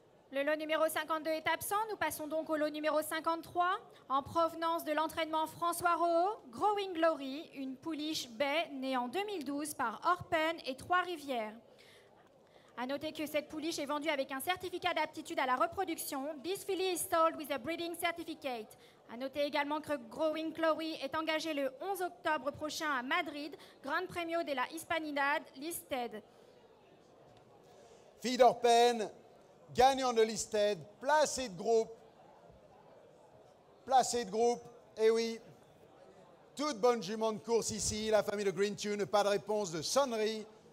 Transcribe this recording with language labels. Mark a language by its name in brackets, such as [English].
[French] Le lot numéro 52 est absent. Nous passons donc au lot numéro 53. En provenance de l'entraînement François Rohaud, Growing Glory, une pouliche baie née en 2012 par Orpen et Trois-Rivières. A noter que cette pouliche est vendue avec un certificat d'aptitude à la reproduction. [English] This filly is sold with a breeding certificate. [French] A noter également que Growing Glory est engagé le 11 octobre prochain à Madrid, Gran Premio de la Hispanidad Listed. Fille d'Orpen, gagnant de Listed, placée de groupe. Placée de groupe, eh oui. Toute bonne jument de course ici, la famille de Green Tune, pas de réponse de sonnerie.